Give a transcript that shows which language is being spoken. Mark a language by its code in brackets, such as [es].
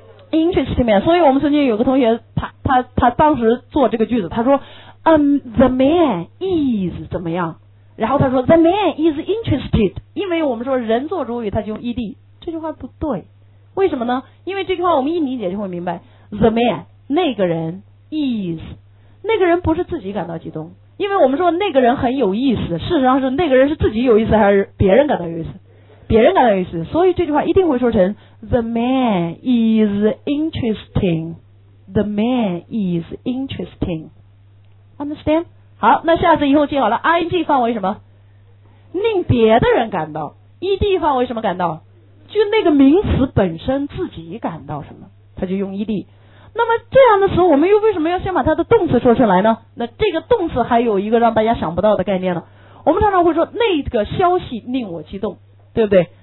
[zh] interesting man。 所以我们曾经有个同学，他当时做这个句子，他说the man is 怎么样，然后他说 [en] the man is interested， [zh] 因为我们说人做主语他就用 ed， 这句话不对。为什么呢？因为这句话我们一理解就会明白 the man 那个人 is 那个人不是自己感到激动，因为我们说那个人很有意思，事实上是那个人是自己有意思还是别人感到有意思？别人感到有意思。所以这句话一定会说成 [en] the man is interesting， the man is interesting。 understand？ [zh] 好，那下次以后记好了， ing 范围什么？令别的人感到。 ed 范围什么感到？就那个名词本身自己感到什么，他就用 ed。那么这样的时候我们又为什么要先把它的动词说出来呢？那这个动词还有一个让大家想不到的概念呢。我们常常会说那个消息令我激动，对不对？